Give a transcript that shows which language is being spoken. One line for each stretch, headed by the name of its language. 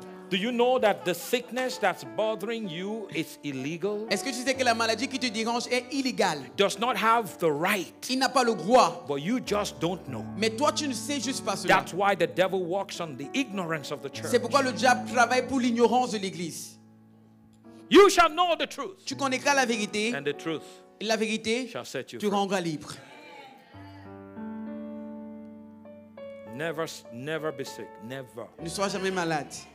English: Do you know that the sickness that's bothering you is illegal?
French: Est-ce que tu sais que la maladie qui te dérange est illégale?
English: Does not have the right.
French: Il n'a pas le droit.
English: But you just don't know.
French: Mais toi tu ne sais juste pas cela.
English: That's why the devil walks on the ignorance of the church.
French: C'est pourquoi le diable travaille pour l'ignorance de l'église.
English: You shall know the truth.
French: Tu connaîtras la vérité.
English: And the truth.
French: Et la vérité.
English: Shall set you
French: tu
English: free.
French: Rendras libre.
English: Never be sick. Never.
French: Ne sois jamais malade.